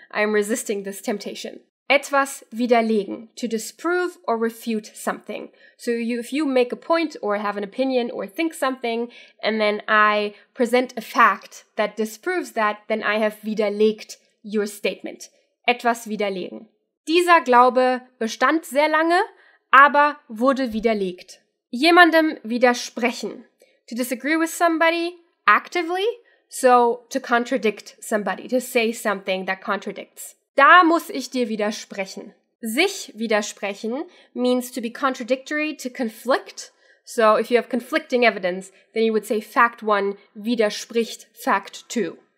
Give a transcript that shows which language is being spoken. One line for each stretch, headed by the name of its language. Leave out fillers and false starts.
English: I am resisting this temptation.
German: Etwas widerlegen,
English: to disprove or refute something. So if you make a point or have an opinion or think something, and then I present a fact that disproves that, then I have widerlegt your statement.
German: Etwas widerlegen. Dieser Glaube bestand sehr lange, aber wurde widerlegt. Jemandem widersprechen.
English: To disagree with somebody actively, so to contradict somebody, to say something that contradicts.
German: Da muss ich dir widersprechen. Sich widersprechen
English: means to be contradictory, to conflict. So if you have conflicting evidence, then you would say fact one widerspricht fact two.